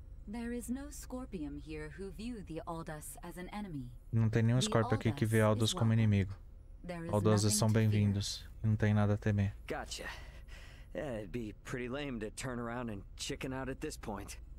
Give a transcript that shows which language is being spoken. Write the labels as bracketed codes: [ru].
[en] There is no Scorpion here who view the Aldous as an enemy. [pt] Não tem nenhum Scorpion aqui que vê Aldous como inimigo. Aldous são bem-vindos. Não tem nada a temer. [en] Gotcha. It'd be pretty lame to turn around and chicken out at this point.